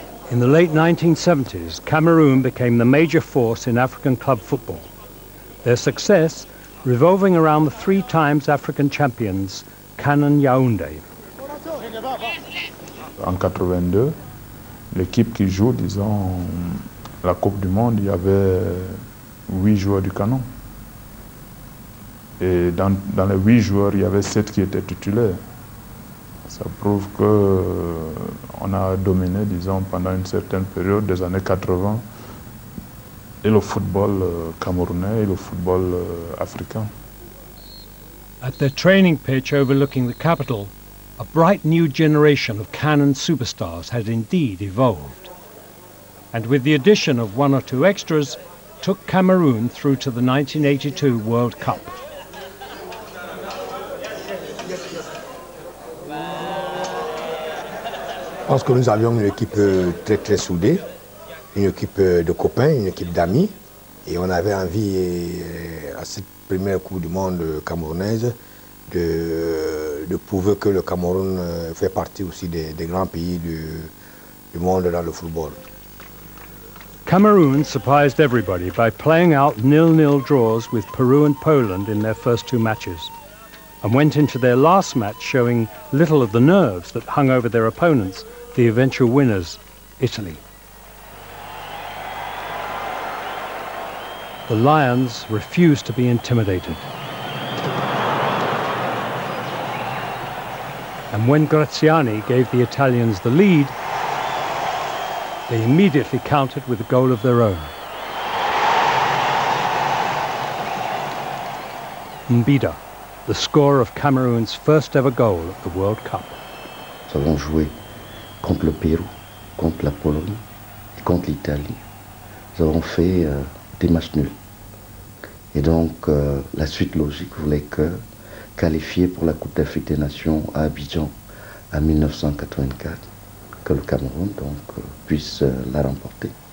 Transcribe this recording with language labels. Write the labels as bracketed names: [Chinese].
[English] In the late 1970s, Cameroon became the major force in African club football. Their success revolving around the three times African champions, Canon Yaoundé. [French] En 82, l'équipe qui joue, disons, la Coupe du Monde, il y avait 8 joueurs du Canon. Et dans les 8 joueurs, il y avait 7 qui étaient titulaires. Ça prouve qu'on a dominé, disons, pendant une certaine période, des années 80, et le football camerounais et le football africain. [English] At their training pitch overlooking the capital, a bright new generation of Canon superstars had indeed evolved. And with the addition of one or two extras, took Cameroon through to the 1982 World Cup. [French] Je pense que nous avions une équipe très très soudée, une équipe de copains, une équipe d'amis. Et on avait envie, à cette première Coupe du Monde camerounaise, de prouver que le Cameroun fait partie aussi des grands pays du monde dans le football. [English] Cameroon surprised everybody by playing out 0-0 draws with Peru and Poland in their first two matches, and went into their last match showing little of the nerves that hung over their opponents, the eventual winners, Italy. The Lions refused to be intimidated. And when Graziani gave the Italians the lead, they immediately countered with a goal of their own. Mbida, the scorer of Cameroon's first ever goal at the World Cup. [French] Nous avons joué contre le Pérou, contre la Pologne et contre l'Italie. Nous avons fait des matchs nuls. Et donc la suite logique voulait que qualifié pour la Coupe d'Afrique des Nations à Abidjan en 1984, que le Cameroun donc puisse la remporter.